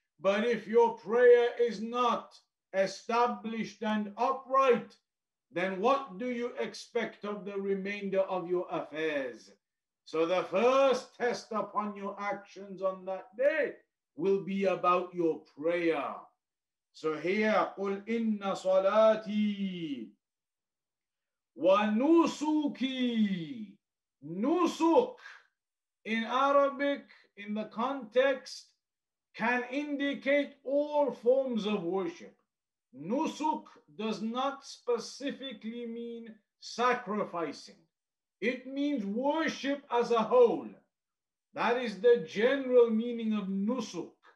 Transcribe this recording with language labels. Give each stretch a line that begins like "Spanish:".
English: But if your prayer is not established and upright, then what do you expect of the remainder of your affairs? So the first test upon your actions on that day will be about your prayer. So here,
Arabic: قُلْ إِنَّ صَلَاتِي وَنُسُكِي.
English: Nusuk in Arabic, in the context, can indicate all forms of worship. Nusuk does not specifically mean sacrificing. It means worship as a whole. That is the general meaning of nusuk.